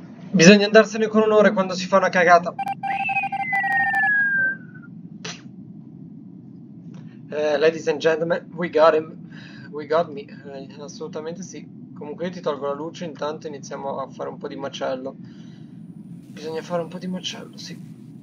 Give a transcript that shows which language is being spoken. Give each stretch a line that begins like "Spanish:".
Italian: Bisogna andarsene con onore quando si fa una cagata.
English: Ladies and gentlemen, we got him. We got me.
Italian: Assolutamente sì. Comunque io ti tolgo la luce, intanto iniziamo a fare un po' di macello. Bisogna fare un po' di macello, sì.